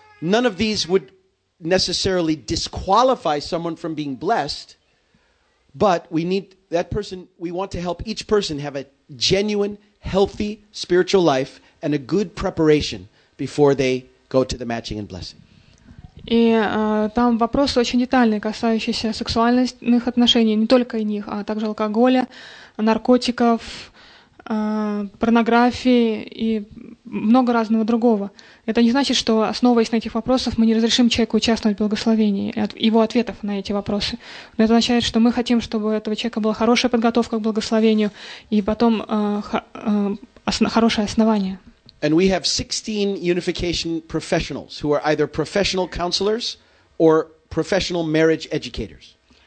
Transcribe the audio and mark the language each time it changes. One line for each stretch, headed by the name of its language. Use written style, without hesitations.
English: None of these would necessarily disqualify someone from being blessed, but we need that person, we want to help each person have a genuine, healthy spiritual life and a good preparation before they go to the matching and blessing.
Russian: И там вопросы очень детальные, касающиеся сексуальных отношений, не только и них, а также алкоголя, наркотиков, порнографии и много разного другого. Это не значит, что, основываясь на этих вопросах, мы не разрешим человеку участвовать в благословении, его ответов на эти вопросы. Но это означает, что мы хотим, чтобы у этого человека была хорошая подготовка к благословению и потом хорошее основание.
English: And we have 16 unification professionals who are either professional counselors or professional marriage educators.